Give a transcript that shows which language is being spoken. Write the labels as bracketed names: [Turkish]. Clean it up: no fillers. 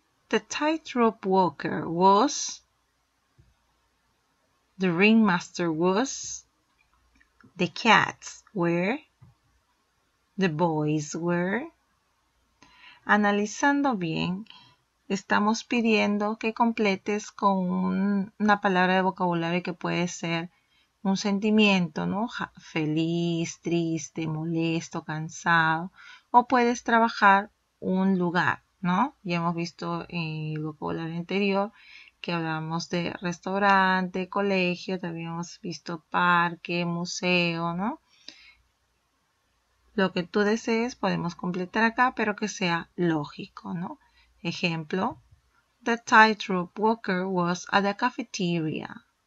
[English] The tightrope walker was, the ringmaster was, the cats were, the boys were. [Spanish] Analizando bien, estamos pidiendo que completes con una palabra de vocabulario que puede ser un sentimiento, ¿no? Feliz, triste, molesto, cansado. O puedes trabajar un lugar, ¿no? Ya hemos visto en el vocabulario anterior que hablamos de restaurante, colegio, también hemos visto parque, museo, ¿no? lo que tú desees podemos completar acá, pero que sea lógico, ¿no? [English] Ejemplo, the tightrope walker was at the cafeteria.